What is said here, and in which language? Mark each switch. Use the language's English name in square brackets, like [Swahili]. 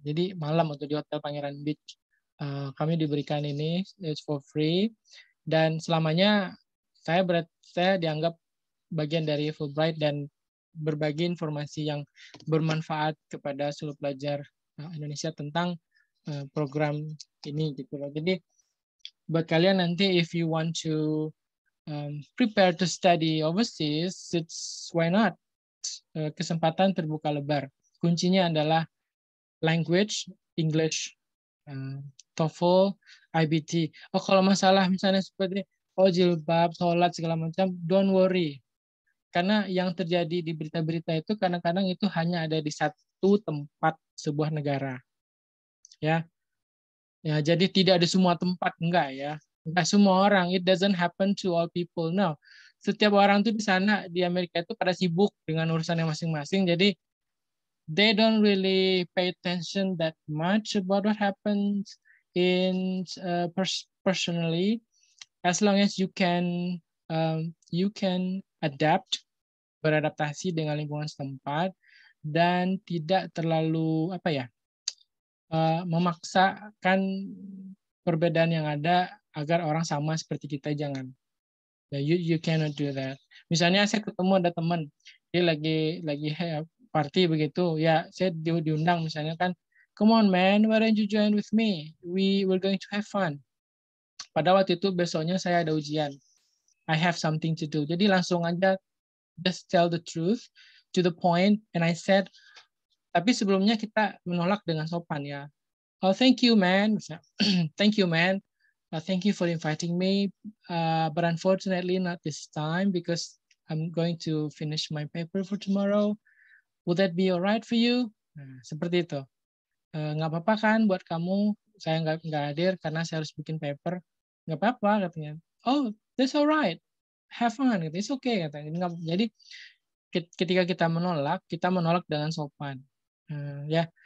[Indonesian] Jadi malam untuk di Hotel Pangeran Beach kami diberikan ini, [English] it's for free, [Indonesian] dan selamanya saya dianggap bagian dari Fulbright dan berbagi informasi yang bermanfaat kepada seluruh pelajar Indonesia tentang program ini gitu loh. Jadi buat kalian nanti, [English] if you want to prepare to study overseas, it's why not? [Indonesian] Kesempatan terbuka lebar. Kuncinya adalah language, English, TOEFL, IBT. Oh, kalau masalah misalnya seperti, oh, jilbab, sholat, segala macam, [English] don't worry. [Indonesian] Karena yang terjadi di berita-berita itu, kadang-kadang itu hanya ada di satu tempat sebuah negara. Ya. Ya, jadi tidak ada semua tempat, enggak ya. Enggak semua orang, [English] it doesn't happen to all people. No. [Indonesian] Setiap orang tuh di sana di Amerika itu pada sibuk dengan urusan yang masing-masing. [English] Jadi they don't really pay attention that much about what happens in personally. As long as you can adapt, [Indonesian] beradaptasi dengan lingkungan setempat dan tidak terlalu memaksakan perbedaan yang ada agar orang sama seperti kita, jangan. [English] You cannot do that. [Indonesian] Misalnya saya ketemu ada teman, dia lagi party begitu, ya saya diundang misalnya kan, [English] come on man, why don't you join with me? We're going to have fun. [Indonesian] Pada waktu itu besoknya saya ada ujian. [English] I have something to do. [Indonesian] Jadi langsung aja [English] just tell the truth to the point, and I said, [Indonesian] tapi sebelumnya kita menolak dengan sopan ya. [English] Oh, thank you man. Thank you man. Thank you for inviting me, but unfortunately not this time because I'm going to finish my paper for tomorrow. Would that be alright for you? [Indonesian] Nah, seperti itu. Nggak apa-apa kan buat kamu, saya nggak hadir karena saya harus bikin paper. Nggak apa-apa katanya. [English] Oh, that's alright. Have fun. It's okay katanya. [Indonesian] Jadi ketika kita menolak dengan sopan. Ya.